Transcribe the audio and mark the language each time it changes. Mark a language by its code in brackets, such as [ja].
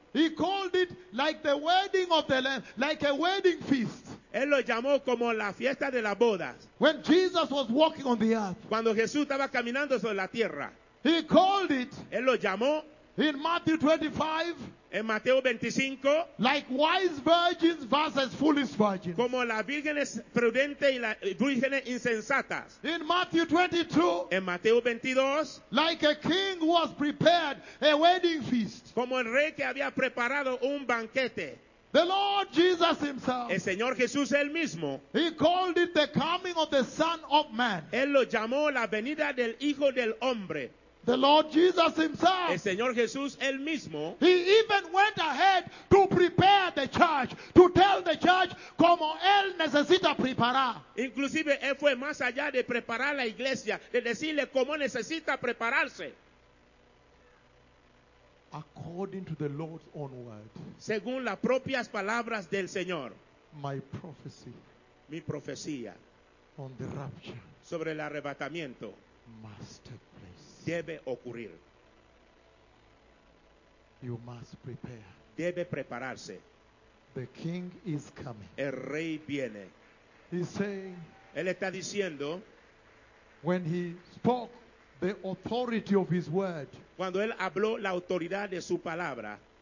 [en] he called it like the wedding of the Lamb, like a wedding feast. [es] Él lo llamó como la fiesta de las bodas. [en] When Jesus was walking on the earth, [es] cuando Jesús estaba caminando sobre la tierra, [en] he called it, [es] él lo llamó, [en] in Matthew 25, [es] en Mateo 25, [en] like wise virgins versus foolish virgins, [es] como las vírgenes prudentes y las vírgenes insensatas. [en] In Matthew 22, [es] en Mateo 22, [en] like a king who has prepared a wedding feast, [es] como el rey que había preparado un banquete. [en] The Lord Jesus himself, [es] el Señor Jesús él mismo, [en] he called it the coming of the Son of Man, [es] él lo llamó la venida del Hijo del Hombre. [en] The Lord Jesus himself, [es] el Señor Jesús él mismo, [en] he even went ahead to prepare the church, to tell the church [es] como él necesita preparar. Inclusive él fue más allá de preparar la iglesia, de decirle cómo necesita prepararse. [en] According to the Lord's own word, [es] según las propias palabras del Señor, [en] my prophecy, [es] mi profecía, [en] on the rapture, [es] sobre el arrebatamiento, [en] must take place, [es] debe ocurrir. [en] You must prepare, [es] debe prepararse. [en] The king is coming, [es] el rey viene. [en] He's saying, [es] él está diciendo, [en] when he spoke the authority of his word, [es] cuando él habló la autoridad de su palabra,